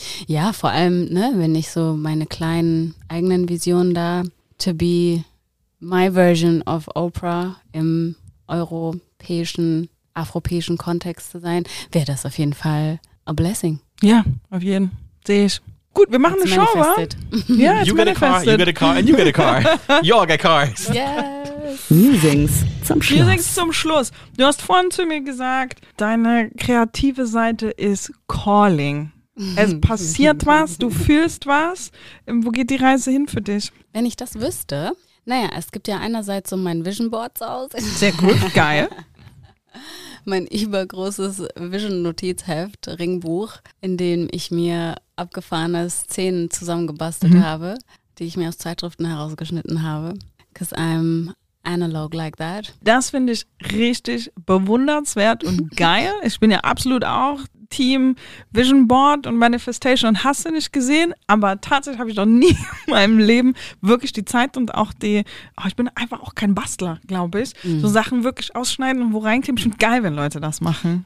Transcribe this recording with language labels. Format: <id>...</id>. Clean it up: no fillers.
<de>Ja, vor allem, ne, wenn ich so meine kleinen eigenen Visionen da,</de> <en>to be my version of Oprah</en> <de>im europäischen, afropäischen Kontext zu sein, wäre das auf jeden Fall</de> <en>a blessing.</en> <de>Ja, auf jeden. Sehe ich. Gut, wir machen</de> <en>it's</en> <de>eine Show, wa? Ja,</de> <en>you get a car, you get a car, and you get a car. You all get cars. Yes.</en> <de>Musings zum Schluss. Musings zum Schluss. Du hast vorhin zu mir gesagt, deine kreative Seite ist calling. Es passiert was, du fühlst was. Wo geht die Reise hin für dich? Wenn ich das wüsste, naja, es gibt ja einerseits so mein Vision Board aus. Sehr gut, geil. Mein übergroßes Vision-Notizheft, Ringbuch, in dem ich mir abgefahrene Szenen zusammengebastelt habe, die ich mir aus Zeitschriften herausgeschnitten habe.</de> <en>Because I'm analog like that.</en> <de>Das finde ich richtig bewundernswert und geil. Ich bin ja absolut auch Team Vision Board und Manifestation und hast du nicht gesehen, aber tatsächlich habe ich noch nie in meinem Leben wirklich die Zeit und auch die, ich bin einfach auch kein Bastler, glaube ich, so Sachen wirklich ausschneiden und wo reinkleben, ich finde geil, wenn Leute das machen.</de>